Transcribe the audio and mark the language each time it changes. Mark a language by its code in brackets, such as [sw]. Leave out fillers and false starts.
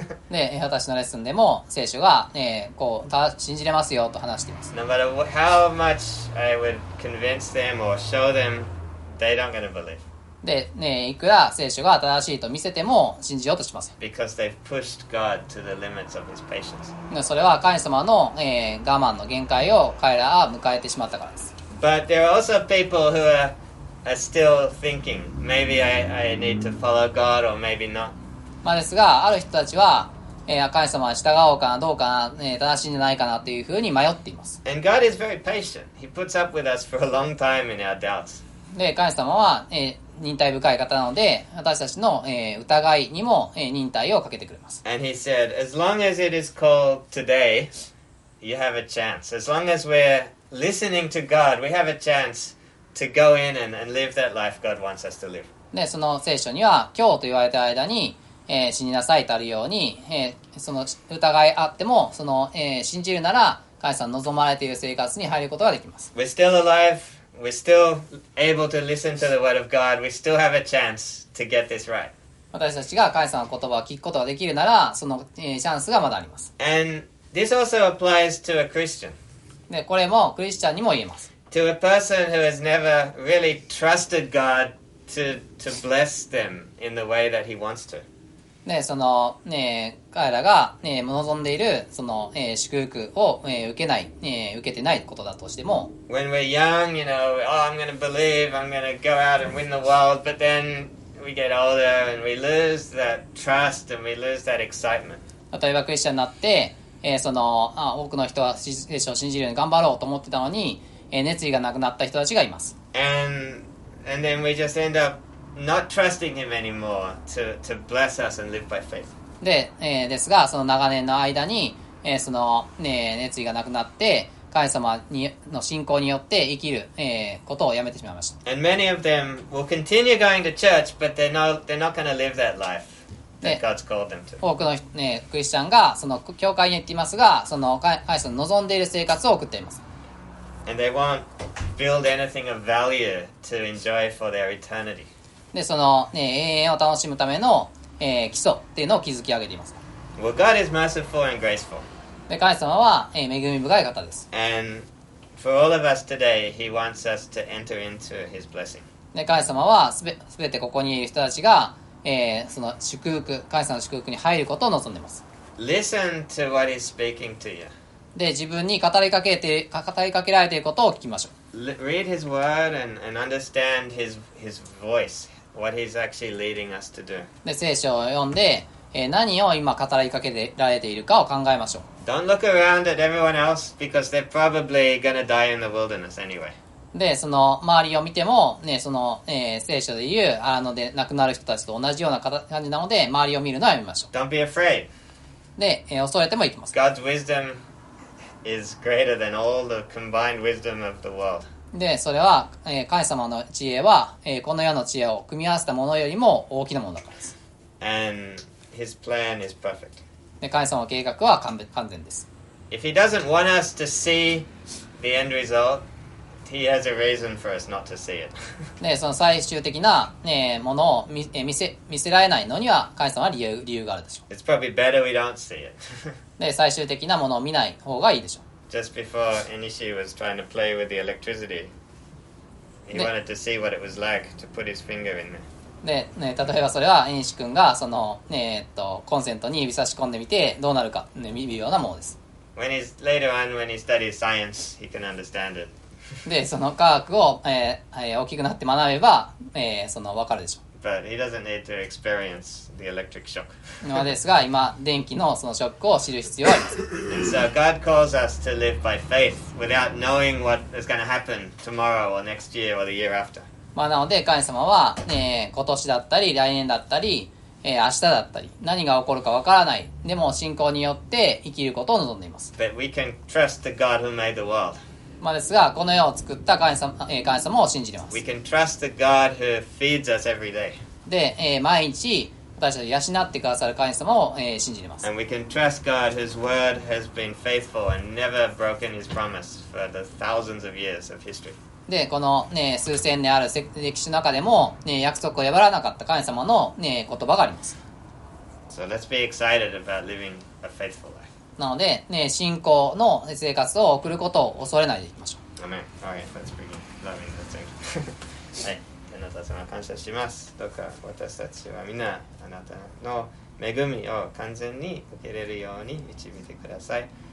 [ja] で、私のレッスンでも聖書が、こう信じれますよと話しています。 [en] No matter how much I would convince them or show them, they don't gonna believe. [ja] で、ね、いくら聖書が正しいと見せても信じようとしません。 [en] Because they've pushed God to the limits of his patience. [ja] それは神様の、我慢の限界を彼らは迎えてしまったからです。 [en] But there are also people who are still thinking, maybe I need to follow God or maybe not. [ja] まあですが、ある人たちは、神様は従おうかな、どうかな、正しいんじゃないかなというふうに迷っています。 [en] And God is very patient. He puts up with us for a long time in our doubts. [ja] で、神様は、忍耐深い方なので私たちの、疑いにも、忍耐をかけてくれます。 [en] And he said, as long as it is called today, you have a chance. As long as we're listening to God, we have a chance to go in and live that life God wants us to live. [ja] で、その聖書には今日と言われた間に、死になさいとあるように、その疑いあってもその、信じるなら神様望まれている生活に入ることができます。 [en] We're still aliveWe're still able to listen to the word of God. We still have a chance to get this right. [ja] 私たちが神様の言葉を聞くことができるなら、その、チャンスがまだあります。 [en] And this also applies to a Christian. [ja] で、これもクリスチャンにも言えます。 [en] To a person who has never really trusted God to bless them in the way that he wants to. [ja] で、その、彼らが、望んでいるその、祝福を、受けない、受けてないことだとしても、 [en] When we're young, you know, oh, I'm gonna believe, I'm gonna go out and win the world, but then we get older and we lose that trust and we lose that excitement. [ja] 例えばクリスチャンになって、その、多くの人は聖書を信じるように頑張ろうと思ってたのに、熱意がなくなった人たちがいます。 [en] And then we just end upNot trusting him anymore to bless us and live by faith. [ja] で、ですが、その長年の間に、その、熱意がなくなって、神様にの信仰によって生きる、ことをやめてしまいました。 [en] And many of them will continue going to church, but they're not going to live that life that God's called them to. [ja] 多くの、クリスチャンがその教会に行っていますが、その神様の望んでいる生活を送っています。 [en] And they won't build anything of value to enjoy for their eternity. [ja] で、その、永遠を楽しむための、基礎っていうのを築き上げています。 [en] Well, God is merciful and graceful. [ja] で、神様は、恵み深い方です。 [en] And for all of us today, he wants us to enter into his blessing. [ja] で、神様はすべてここにいる人たちが、その祝福、神様の祝福に入ることを望んでいます。 [en] Listen to what he's speaking to you. [ja] で、自分に語りかけられていることを聞きましょう。 [en] Read his word and understand his voice, what he's actually leading us to do. [ja] で、聖書を読んで、何を今語りかけられているかを考えましょう。 [en] Don't look around at everyone else because they're probably gonna die in the wilderness anyway. [ja] で、その周りを見てもね、その、聖書で言う荒野で亡くなる人たちと同じような感じなので、周りを見るのはやめましょう。 [en] Don't be afraid. [ja] で、恐れてもいきます。 [en] God's wisdom is greater than all the combined wisdom of the world. [ja] で、それは、神様の知恵は、この世の知恵を組み合わせたものよりも大きなものだからです。 [en] And his plan is perfect. [ja] で、神様の計画は完全です。 [en] If he doesn't want us to see the end result,He has a reason for us not to see it. [ja] で、その最終的な、ね、ものを 見せられないのには、神様は理由があるでしょう。 [en] It's probably better we don't see it. [ja] で、最終的なものを見ない方がいいでしょう。 [en] Just before Enishi was trying to play with the electricity, he wanted to see what it was like to put his finger in there. [ja] で、ね、例えばそれはエニシ君がその、コンセントに指差し込んでみてどうなるか、ね、見るようなものです。 [en] When he's, later on, when he studies science, he can understand it. [ja] で、その科学を、大きくなって学べば、その分かるでしょう。 [en] But he doesn't need to experience the electric shock. [ja] ですが、今、電気のそのショックを知る必要はあります。 [en] And so God calls us to live by faith without knowing what is going to happen tomorrow or next year or the year after. [ja] まあ、なので、神様は、今年だったり、来年だったり、明日だったり、何が起こるか分からない。でも、信仰によって生きることを望んでいます。 [en] But we can trust the God who made the world. [ja] まあ、ですが、この世を作った神様を信じています。 [en] We can trust the God who feeds us every day. [ja] で、毎日私たちを養ってくださる神様を、信じています。 [en] And we can trust God whose word has been faithful and never broken his promise for the thousands of years of history. [ja] で、この、ね、数千年ある歴史の中でも、ね、約束を破らなかった神様の、ね、言葉があります。 [en] So let's be excited about living a faithful life. [ja] なので、ね、信仰の生活を送ることを恐れないでいきましょう。アメン。はい、 [en] Let's begin. Loving the thing. [ja] はい、あなた様感謝します。どうか私たちは皆あなたの恵みを完全に受けれるように導いてください。